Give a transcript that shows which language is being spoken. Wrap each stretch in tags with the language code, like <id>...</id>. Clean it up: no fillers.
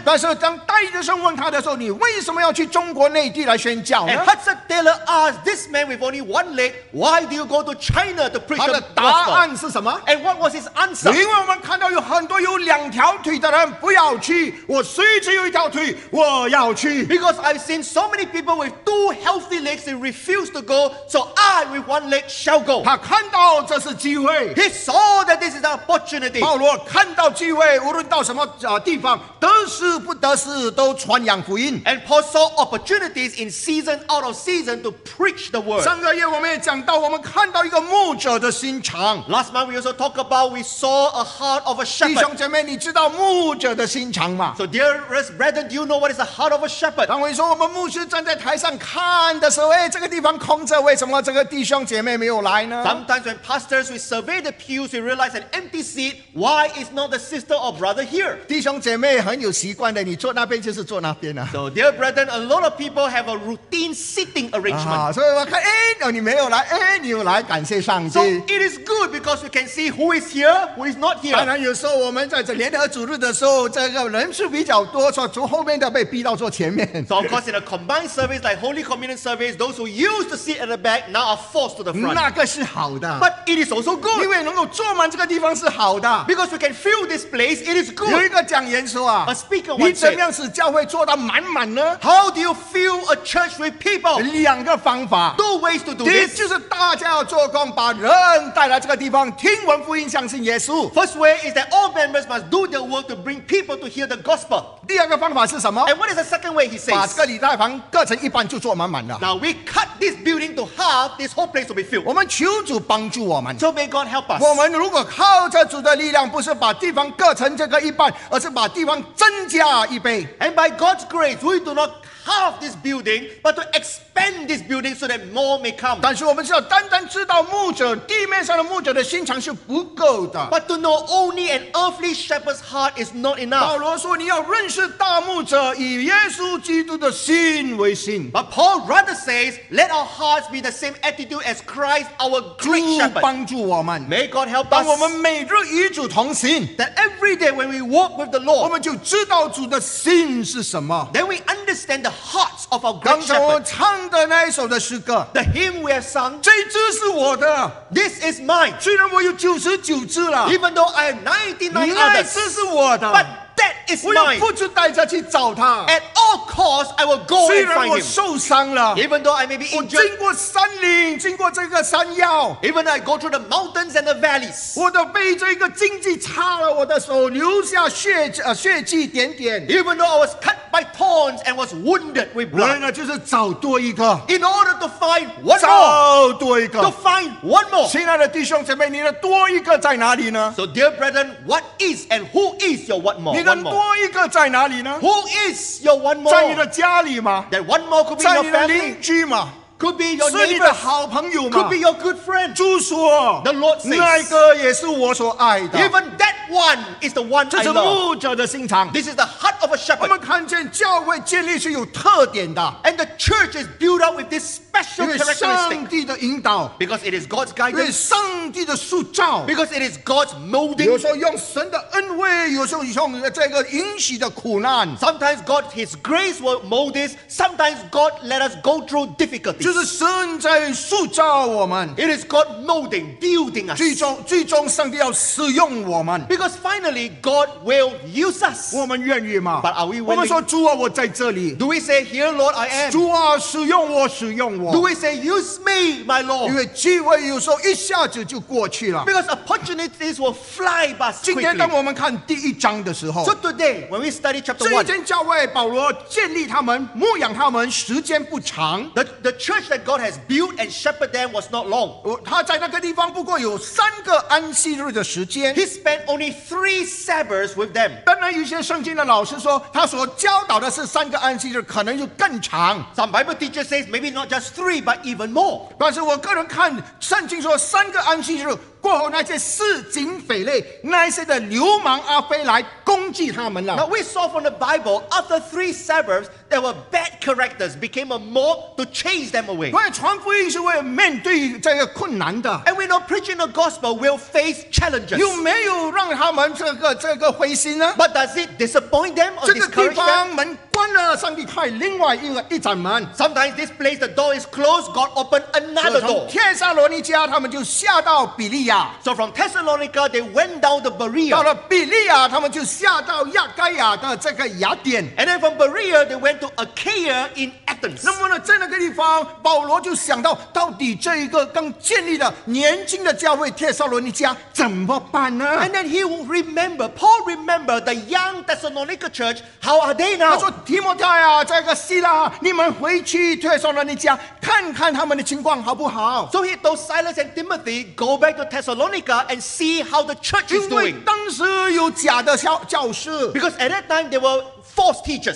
<zh>但是当戴医生问他的时候，你为什么要去中国内地来宣教呢</zh> <en>？And Hudson Taylor asked this man with only one leg, "Why do you go to China to preach the gospel?"</en> <zh>他的答案是什么</zh> <en>？And what was his answer?</en> <zh>因为我们看到有很多有两条腿的人不要去。我虽只有一条腿，我要去。</zh> <en>Because I've seen so many people with two healthy legs they refuse to go, so I with one leg shall go.</en> <zh>他看到这是机会。</zh> <en>He saw that this is Opportunity.</en> <zh>保罗看到机会，无论到什么地方，得失不得失，都传扬福音。</zh> <en>And Paul saw opportunities in season, out of season, to preach the word.</en> <zh>上个月我们也讲到，我们看到一个牧者的心肠。</zh> <en>Last month we also talked about we saw a heart of a shepherd.</en> <zh>弟兄姐妹，你知道牧者的心肠吗</zh> <en>？So dearest brethren, do you know what is the heart of a shepherd?</en> <zh>当我说我们牧师站在台上看的时候，这个地方空着，为什么这个弟兄姐妹没有来呢</zh> <en>？Sometimes when pastors we survey the pews, we realize that empty seat, why is not the sister or brother here?</en> <zh>弟兄姐妹很有习惯的，你坐那边就是坐那边啊。</zh> <en>So dear brethren, a lot of people have a routine seating arrangement.</en> <zh>所以我看，你没有来，你有来，感谢上帝。</zh> <en>So it is good because we can see who is here, who is not here.</en> <zh>当然有时候我们在这联合主日的时候，这个人数比较多，所以从后面的被逼到坐前面。</zh> <en>So of course in a combined service like Holy Communion service, those who used to sit at the back now are forced to the front.</en> <zh>那个是好的。</zh> <en>But it is also good.</en> <zh>因为能够坐满这个地方是好的</zh> <en>，because we can fill this place, it is good.</en> <zh>有一个讲员说啊</zh> <en>，a speaker</en> <zh>你怎么样使教会做到满满呢</zh> <en>？How do you fill a church with people？</en> <zh>两个方法</zh> <en>，two ways to do this。</en> <zh>第一就是大家要做工，把人带来这个地方，听闻福音，相信耶稣。</zh> <en>First way is that all members must do their work to bring people to hear the gospel。</en> <zh>第二个方法是什么</zh> <en>？And what is the second way he says？</en> <zh>把这个礼拜堂各成一半就做满满的。</zh> <en>Now we cut this building to half, this whole place will be filled。</en> <zh>我们求主帮助我们</zh> <en>，so may God help us。</en> <zh>我们如果靠这主的力量不是把地方割成这个一半，而是把地方增加一倍。</zh> <en>And by God's grace, we do not halve this building, but to expand this building so that more may come.</en> <zh>但是我们知道，单单知道牧者地面上的牧者的心肠是不够的。</zh> <en>But to know only an earthly shepherd's heart is not enough.</en> <zh>保罗说，你要认识大牧者以耶稣基督的心为心。</zh> <en>But Paul rather says, let our hearts be the same attitude as Christ, our great shepherd.</en> <zh>主帮助我们。</zh> <en>May God help us.</en> <zh>当我们每每日与主同行,</zh> <en>that every day when we walk with the Lord,</en> <zh>我们就知道主的心是什么,</zh> <en>then we understand the hearts of our great shepherd.</en> <zh>刚才我唱的那一首的诗歌,</zh> <en>the hymn we have sung,</en> <zh>这一支是我的,</zh> <en>this is mine.</en> <zh>虽然我有99支了,</zh> <en>even though I have 99 others,</en> <zh>那一支是我的,</zh> <en>but that is mine.</en> <zh>我要付出代价去找他,</zh> <en>at all costs, I will go and find him.</en> <zh>虽然我受伤了,</zh> <en>even though I may be injured,</en> <zh>我经过山林, 经过这个山腰,</zh> <en>even though I go through the mountains and the valleys,</en> <zh>我的被这个荆棘插了, 我的手, 留下血, 血迹点点,</zh> <en>even though I was cut by thorns and was wounded with blood,</en> <zh>为了就是找多一个,</zh> <en>in order to find one more,</en> <zh>找多一个,</zh> <en>to find one more.</en> <zh>亲爱的弟兄姐妹, 你的多一个在哪里呢?</zh> <en>So dear brethren, what is and who is your one more?</en> <zh>你的多一个在哪里呢?</zh> <en>Who is your one more?</en> <zh>在你的家里吗?</zh> <en>That one more could be your family.</en> <zh>在你的邻居吗?</zh> <en>Could be your neighbor.</en> <zh>是你的好朋友吗?</zh> <en>Could be your good friend.</en> <zh>主说,</zh> <en>the Lord says,</en> <zh>那一个也是我所爱的。</zh> <en>Even that one is the one I love.</en> <zh>这是牧者的心肠。</zh> <en>This is the heart of a shepherd.</en> <zh>我们看见教会建立是有特点的。</zh> <en>And the church is built up with this special characteristic.</en> <zh>因为上帝的引导。</zh> <en>Because it is God's guidance.</en> <zh>因为上帝的塑造。</zh> <en>Because it is God's molding.</en> <zh>有时候用神的恩惠, 有时候用这个允许的苦难。</zh> <en>Sometimes God, His grace will mold this. Sometimes God let us go through difficulty.</en> <zh>就是神在塑造我们,</zh> <en>it is God molding, building us.</en> <zh>最终上帝要使用我们,</zh> <en>because finally God will use us.</en> <zh>我们愿意吗?</zh> <en>But are we willing?</en> <zh>我们说主啊, 我在这里,</zh> <en>do we say, here Lord I am?</en> <zh>主啊, 使用我, 使用我,</zh> <en>do we say, use me my Lord?</en> <zh>因为机会有时候一下子就过去了,</zh> <en>because opportunities will fly past quickly.</en> <zh>今天当我们看第一章的时候,</zh> <en>so today when we study chapter 1,</en> <zh>这一间教会, 保罗建立他们, 牧养他们, 时间不长,</zh> <en>the church that God has built and shepherded them was not long.</en> <zh>他在那个地方不过有三个安息日的时间,</zh> <en>he spent only 3 Sabbaths with them.</en> <zh>当然有些圣经的老师说, 他所教导的是三个安息日, 可能就更长,</zh> <en>some Bible teachers say maybe not just 3 but even more.</en> <zh>但是我个人看圣经说三个安息日, 过后那些四警匪类那些的流氓阿非来攻击他们了。</zh> <en>Now we saw from the Bible, after 3 Sabbaths, there were bad characters became a mob to chase them away.</en> <zh>传福音是为了面对这个困难的。</zh> <en>And we know preaching the gospel will face challenges.</en> <zh>有没有让他们这个灰心呢?</zh> <en>But does it disappoint them or discourage them?</en> <zh>关了上帝开另外一个一盏门,</zh> <en>sometimes this place the door is closed, God opened another door.</en> <zh>从帖撒罗尼迦, 他们就下到比利亚,</zh> <en>so from Thessalonica they went down to Berea.</en> <zh>到了比利亚, 他们就下到亚该亚的这个雅典,</zh> <en>and then from Berea they went to Achaia in Athens.</en> <zh>那么呢在那个地方, 保罗就想到, 到底这一个刚建立的年轻的教会帖撒罗尼迦, 怎么办呢?</zh> <en>And then he will remember, Paul remember the young Thessalonica church, how are they now?</en> <zh>他说, 提摩太啊, 这个希拉, 你们回去帖撒罗尼迦, 看看他们的情况好不好?</zh> <en>So he told Silas and Timothy, go back to Thessalonica and see how the church is doing.</en> <zh>因为当时有假的教师,</zh> <en>because at that time there were false teachers.</en>